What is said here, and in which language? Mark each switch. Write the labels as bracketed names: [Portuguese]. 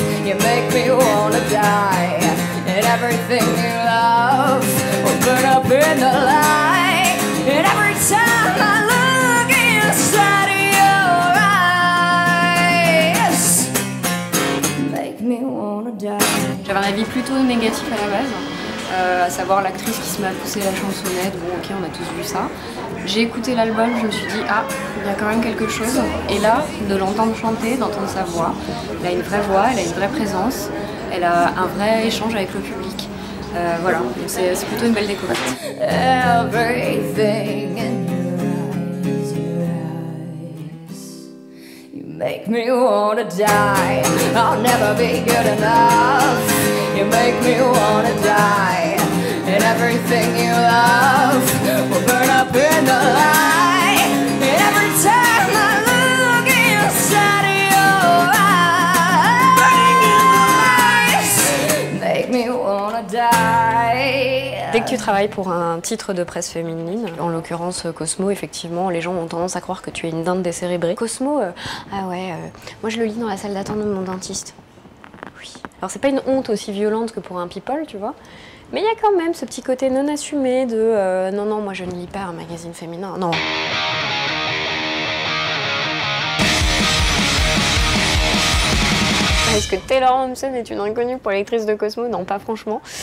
[English] You make me wanna die, and everything you love will burn up in the light. And every time I look inside of your eyes, make me wanna die. [French] J'avais un avis plutôt négatif à la base. À savoir l'actrice qui se met à pousser la chansonnette, bon ok, on a tous vu ça. J'ai écouté l'album, je me suis dit, ah, il y a quand même quelque chose. Et là, de l'entendre chanter, d'entendre sa voix, elle a une vraie voix, elle a une vraie présence, elle a un vrai échange avec le public. Voilà, c'est plutôt une belle découverte. [English] Everything in your eyes, you make me wanna die, I'll never be good enough. You make me wanna die, and everything you love will burn up in the light. And every time I look inside of your eyes, make me wanna die. [French] Dès que tu travailles pour un titre de presse féminine, en l'occurrence Cosmo, effectivement, les gens ont tendance à croire que tu es une dinde décérébrée. Cosmo, moi je le lis dans la salle d'attente de mon dentiste. Oui. Alors c'est pas une honte aussi violente que pour un people, tu vois. Mais il y a quand même ce petit côté non assumé de « Non, non, moi je ne lis pas un magazine féminin, non. » Est-ce que Taylor Momsen est une inconnue pour l'actrice de Cosmo? Non, pas franchement.